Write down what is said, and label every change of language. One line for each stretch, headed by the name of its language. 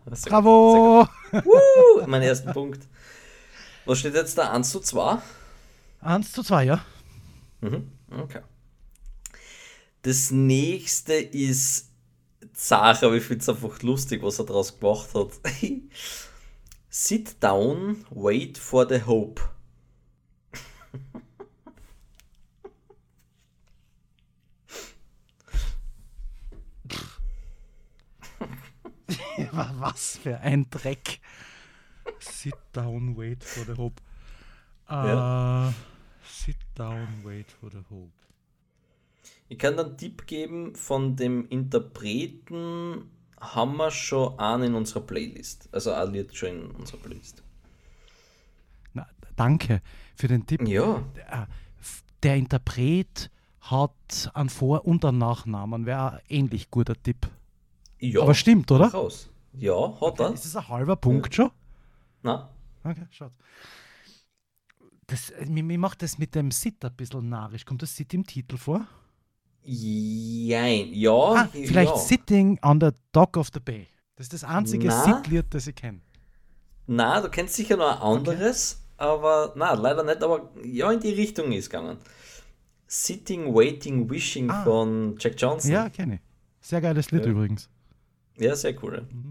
German: bravo! Mein erster Punkt. Was steht jetzt da? 1 zu 2? 1 zu 2, ja. Mhm. Okay. Das nächste ist Zach, aber ich finde es einfach lustig, was er daraus gemacht hat.
English: Sit down, wait for the hope.
German: Was für ein Dreck.
English: Sit down, wait for the hope. Ja. Sit down, wait for the hope.
German: Ich kann dann einen Tipp geben, von dem Interpreten haben wir schon einen in unserer Playlist. Also ein Lied schon in unserer Playlist. Na, danke für den Tipp. Ja. Der Interpret hat einen Vor- und einen Nachnamen. Wäre ein ähnlich guter Tipp. Ja. Aber stimmt, oder? Raus. Ja, hat okay, er. Ist das ein halber Punkt schon? Nein. Okay, schaut. Mir macht das mit dem Sit ein bisschen narrisch. Kommt das Sit im Titel vor? Jein, ja. Ah, vielleicht ja.
English: Sitting on the Dock of the Bay.
German: Das ist das einzige Sit-Lied, das ich kenne. Nein, du kennst sicher noch ein anderes, okay. Aber nein, leider nicht, aber ja, in die Richtung ist gegangen.
English: Sitting, Waiting, Wishing von Jack Johnson.
German: Ja, kenne ich. Sehr geiles Lied übrigens. Ja, sehr cool.